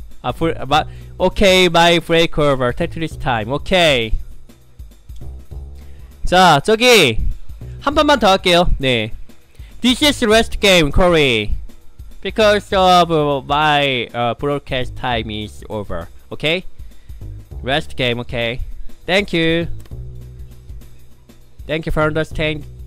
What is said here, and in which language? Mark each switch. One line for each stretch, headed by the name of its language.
English: 아, 불, 아 마, okay, my break over Tetris time. Okay.
Korean: 자, 저기 한 판만 더 할게요.
English: 네. This is rest game, Corey. Because of my broadcast time is over. Okay? Rest game, okay. Thank you. Thank you for understanding.